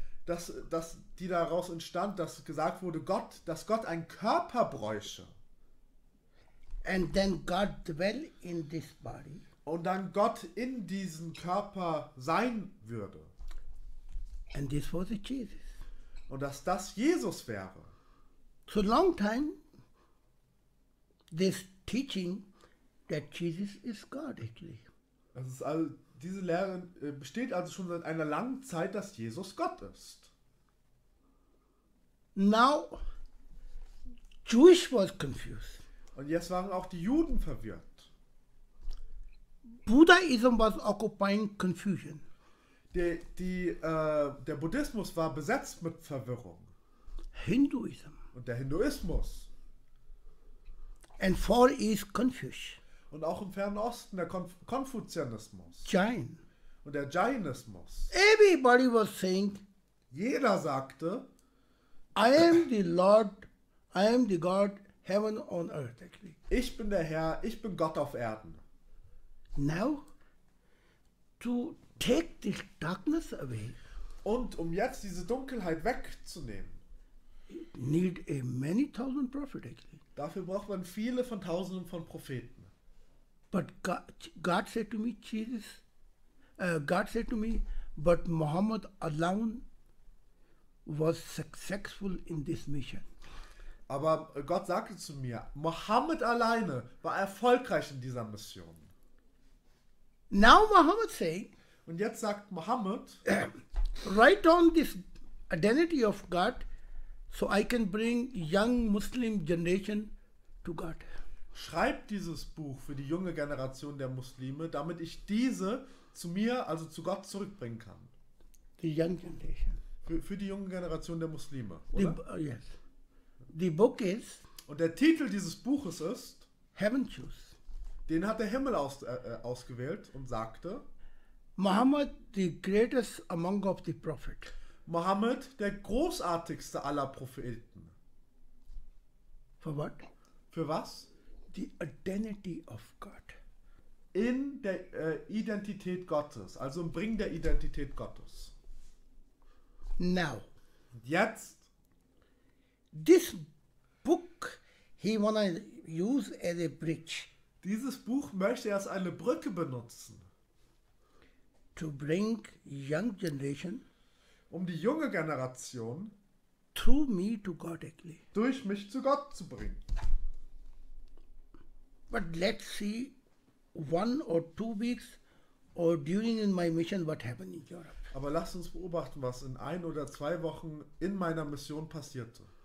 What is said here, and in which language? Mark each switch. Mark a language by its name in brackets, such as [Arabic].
[German] Dass die daraus entstand, dass gesagt wurde, dass Gott einen Körper bräuchte. [English] And then God dwell in this body. [German] Und dann Gott in diesen Körper sein würde. [English] And this was Jesus. [German] Und dass das Jesus wäre. [English] So long time this teaching that Jesus is God actually. [German] Das ist also, diese Lehre besteht also schon seit einer langen Zeit, dass Jesus Gott ist. [English] Now Jewish was confused. [German] Und jetzt waren auch die Juden verwirrt. [English] Buddhism was occupying confusion. [German] Der Buddhismus war besetzt mit Verwirrung. [English] Hinduism. [German] Und der Hinduismus. [English] And Far East Confucius. [German] Und auch im Fernen Osten der Konfuzianismus. [English] Jain. [German] Und der Jainismus. [English] Everybody was saying, [German] jeder sagte, [English] I am the Lord, I am the God, heaven on earth. Actually. [German] Ich bin der Herr, ich bin Gott auf Erden. [English] Now, to take this darkness away. [German] Und um jetzt diese Dunkelheit wegzunehmen. [English] Need a many thousand prophets actually. [German] Dafür braucht man viele von tausenden von Propheten. [English] But God said to me, Jesus. God said to me, but Muhammad alone was successful in this mission. [German] Aber Gott sagte zu mir, Muhammad alleine war erfolgreich in dieser Mission. [English] Now Muhammad say. [German] Und jetzt sagt Muhammad, [English] write down this identity of God, so I can bring young Muslim generation to God. [German] Schreibt dieses Buch für die junge Generation der Muslime, damit ich diese zu mir, also zu Gott, zurückbringen kann. [English] The young generation. [German] Für die junge Generation der Muslime, oder? [English] Yes. The book is. [German] Und der Titel dieses Buches ist. [English] Heaven Choose. [German] Den hat der Himmel ausgewählt und sagte. [English] Muhammad, the greatest among of the prophets. [German] Muhammad, der großartigste aller Propheten. [English] For what? [German] Für was? [English] The identity of God. [German] In der Identität Gottes, also im Bringen der Identität Gottes. [English] Now. [German] Jetzt. [English] This book he wanna use as a bridge. [German] Dieses Buch möchte er als eine Brücke benutzen. [English] To bring young generation, [German] um die junge Generation [English] through me to God, actually. [German] Durch mich zu Gott zu bringen. [English] But let's see one or two weeks or during in my mission what happened in Europe. [German] Aber lasst uns beobachten, was in ein oder zwei Wochen in meiner Mission passierte.